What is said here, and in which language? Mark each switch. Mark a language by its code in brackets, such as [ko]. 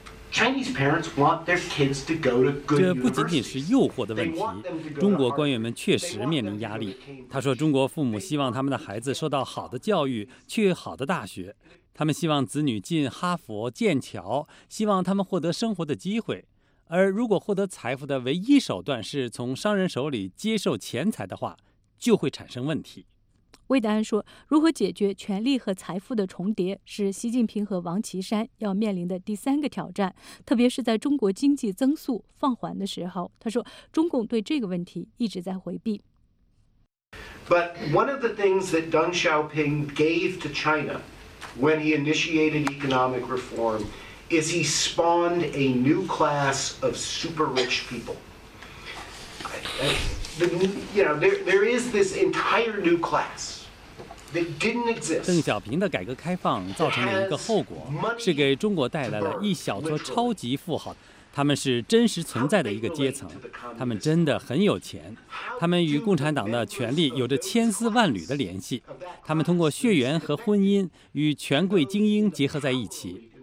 [en] Chinese parents want their kids to go to good universities. [zh] 这不仅仅是诱惑的问题，中国官员们确实面临压力。他说，中国父母希望他们的孩子受到好的教育，去好的大学。他们希望子女进哈佛、剑桥，希望他们获得生活的机会。而如果获得财富的唯一手段是从商人手里接受钱财的话，就会产生问题。魏德安说，如何解决权力和财富的重叠是习近平和王岐山要面临的第三个挑战，特别是在中国经济增速放缓的时候。他说，中共对这个问题一直在回避。 [en] But one of the things that Deng Xiaoping gave to China,When he initiated economic reform, is he spawned a new class of super rich people. There is this entire new class that didn't exist. [zh] 邓小平的改革开放造成了一个后果，是给中国带来了一小撮超级富豪。他们是真实存在的一个阶层，他们真的很有钱，他们与共产党的权力有着千丝万缕的联系，他们通过血缘和婚姻与权贵精英结合在一起。